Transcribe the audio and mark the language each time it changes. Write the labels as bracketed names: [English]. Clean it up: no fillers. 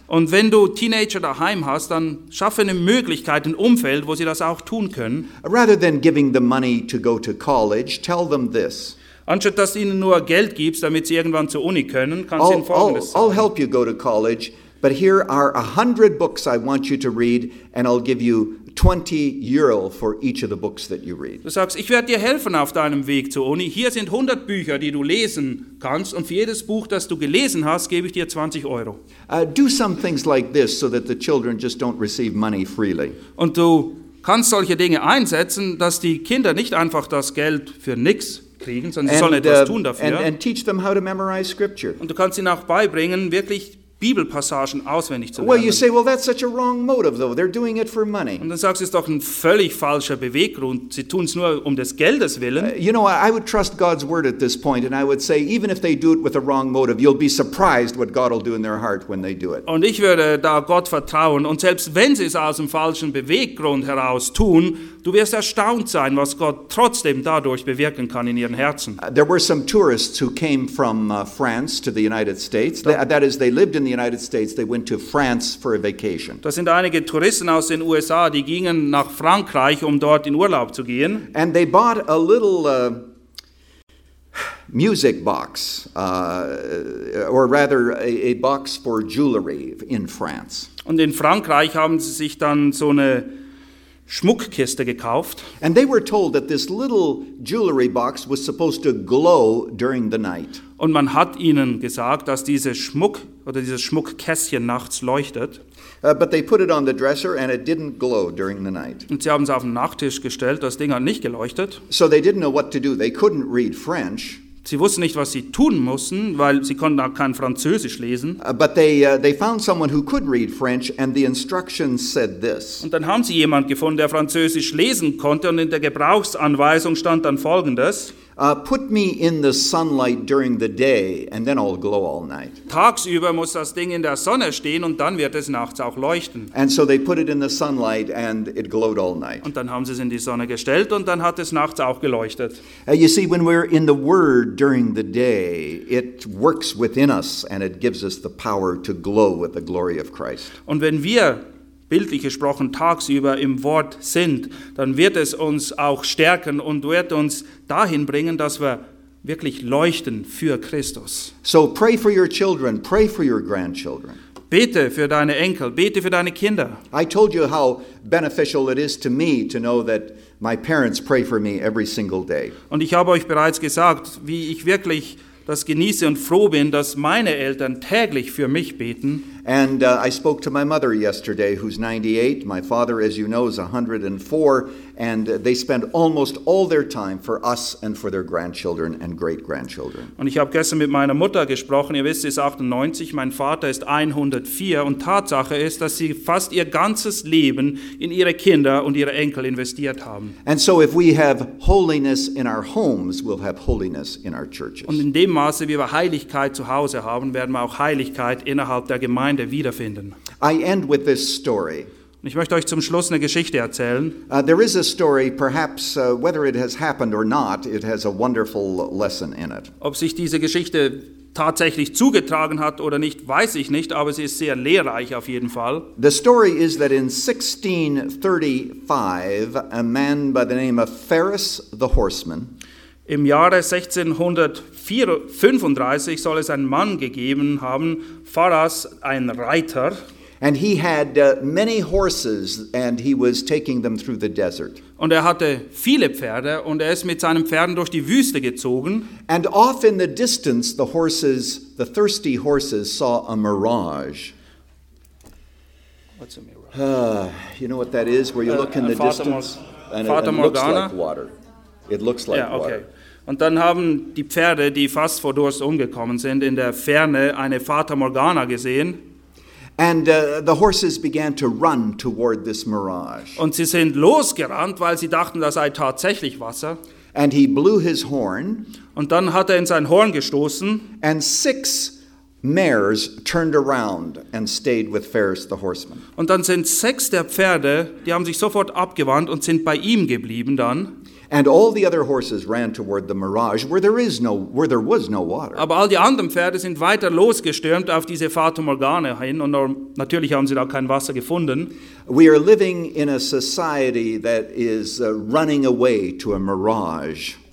[German] Und wenn du Teenager daheim hast, dann schaffe eine Möglichkeit, ein Umfeld, wo sie das auch tun können. [English] Rather than giving them money to go to college, tell them this. [German] Anstatt dass du ihnen nur Geld gibst, damit sie irgendwann zur Uni können, kannst du ihnen Folgendes sagen. [English] I'll help you go to college, but here are 100 books I want you to read, and I'll give you 20 Euro for each of the books that you read. [German] Du sagst, ich werde dir helfen auf deinem Weg zur Uni. Hier sind 100 Bücher, die du lesen kannst, und für jedes Buch, das du gelesen hast, gebe ich dir 20 Euro. [English] Do some things like this so that the children just don't receive money freely. [German] Und du kannst solche Dinge einsetzen, dass die Kinder nicht einfach das Geld für nichts kriegen, sondern sie sollen etwas tun dafür. [English] And teach them how to memorize Scripture. [German] Und du kannst ihnen auch beibringen, wirklich Bibelpassagen auswendig zu lernen. [English] Well, you say, "Well, that's such a wrong motive, though. They're doing it for money." [German] Und dann sagst du, es ist doch ein völlig falscher Beweggrund. Sie tun es nur um des Geldes willen. [English] You know, I would trust God's word at this point, and I would say, even if they do it with a wrong motive, you'll be surprised what God will do in their heart when they do it. [German] Und ich würde da Gott vertrauen. Und selbst wenn sie es aus einem falschen Beweggrund heraus tun, du wirst erstaunt sein, was Gott trotzdem dadurch bewirken kann in ihren Herzen. [English] There were some tourists who came from France to the United States. That is, they lived in the United States. They went to France for a vacation. [German] Das sind einige Touristen aus den USA, die gingen nach Frankreich, um dort in Urlaub zu gehen. [English] And they bought a little music box, or rather a box for jewelry in France. [German] Und in Frankreich haben sie sich dann so eine Schmuckkiste gekauft. [English] And they were told that this little jewelry box was supposed to glow during the night. [German] Und man hat ihnen gesagt, dass diese Schmuck oder dieses Schmuckkästchen nachts leuchtet. [English] But they put it on the dresser and it didn't glow during the night. [German] Und sie haben es auf den Nachttisch gestellt, das Ding hat nicht geleuchtet. [English] So they didn't know what to do. They couldn't read French. [German] Sie wussten nicht, was sie tun mussten, weil sie konnten auch kein Französisch lesen. [English] But they found someone who could read French, and the instructions said this. [German] Und dann haben sie jemanden gefunden, der Französisch lesen konnte, und in der Gebrauchsanweisung stand dann Folgendes. [English] Put me in the sunlight during the day, and then I'll glow all night. [German] Tagsüber muss das Ding in der Sonne stehen, und dann wird es nachts auch leuchten. [English] And so they put it in the sunlight, and it glowed all night. [German] Und dann haben sie es in die Sonne gestellt, und dann hat es nachts auch geleuchtet. [English] You see, when we're in the Word during the day, it works within us, and it gives us the power to glow with the glory of Christ. [German] Und wenn wir bildlich gesprochen tagsüber im Wort sind, dann wird es uns auch stärken und wird uns dahin bringen, dass wir wirklich leuchten für Christus. [English] So pray for your children, pray for your grandchildren. [German] Bete für deine Enkel, bete für deine Kinder. [English] I told you how beneficial it is to me to know that my parents pray for me every single day. [German] Und ich habe euch bereits gesagt, wie ich wirklich das genieße und froh bin, dass meine Eltern täglich für mich beten. [English] And I spoke to my mother yesterday, who's 98. My father, as you know, is 104. And they spend almost all their time for us and for their grandchildren and great-grandchildren. [German] Und ich habe gestern mit meiner Mutter gesprochen. Ihr wisst, sie ist 98. Mein Vater ist 104. Und Tatsache ist, dass sie fast ihr ganzes Leben in ihre Kinder und ihre Enkel investiert haben. [English] And so if we have holiness in our homes, we'll have holiness in our churches. [German] Und in dem Maße, wie wir Heiligkeit zu Hause haben, werden wir auch Heiligkeit innerhalb der Gemeinde wiederfinden. [English] I end with this story. [German] Ich möchte euch zum Schluss eine Geschichte erzählen. [English] There is a story, perhaps whether it has happened or not, it has a wonderful lesson in it. [German] Ob sich diese Geschichte tatsächlich zugetragen hat oder nicht, weiß ich nicht, aber sie ist sehr lehrreich auf jeden Fall. [English] The story is that in 1635 a man by the name of Ferus the Horseman. [German] Im Jahre 1635 soll es einen Mann gegeben haben, Ferus, ein Reiter. [English] And he had many horses and he was taking them through the desert. [German] Und er hatte viele Pferde und er ist mit seinen Pferden durch die Wüste gezogen. [English] And off in the distance the horses, the thirsty horses saw a mirage. What's a mirage? You know what that is, where you look in the distance and it looks like water. It looks like water. Okay. [German] Und dann haben die Pferde, die fast vor Durst umgekommen sind, in der Ferne eine Fata Morgana gesehen. [English] And the horses began to run toward this mirage. [German] Und sie sind losgerannt, weil sie dachten, das sei tatsächlich Wasser. [English] And he blew his horn. [German] Und dann hat in sein Horn gestoßen. [English] And six mares turned around and stayed with Ferus the Horseman. [German] Und dann sind sechs der Pferde, die haben sich sofort abgewandt und sind bei ihm geblieben dann. [English] And all the other horses ran toward the mirage, where there was no water. [German] Aber all die anderen Pferde sind weiter losgestürmt auf diese Fata Morgana hin, und natürlich haben sie da kein Wasser gefunden. [English] We are living in a society that is running away to a mirage.